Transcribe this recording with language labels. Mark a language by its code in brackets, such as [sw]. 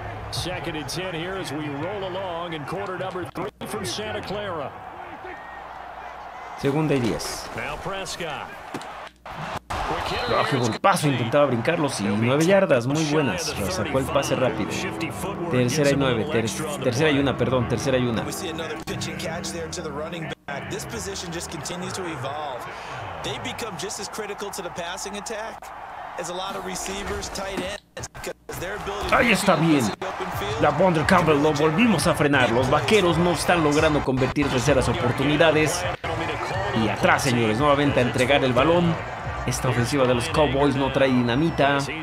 [en] Second and 10 here as we roll along in quarter number 3 from Santa Clara. [es] Segunda y 10. [en] Now Prescott. [es] Oh, qué buen paso, intentaba brincarlos y 9 yardas, muy buenas. Sacó el pase rápido. Tercera y 9, tercera y 1, perdón, tercera y 1. [en] We see another pitch and catch there to the running back. This position just continues to evolve. They become just as critical to the passing attack as a lot of receivers, tight ends. [es] Ahí está bien. La Wonder Campbell lo volvimos a frenar. Los vaqueros no están logrando convertir terceras oportunidades. Y atrás, señores, nuevamente a entregar el balón. Esta ofensiva de los Cowboys no trae dinamita.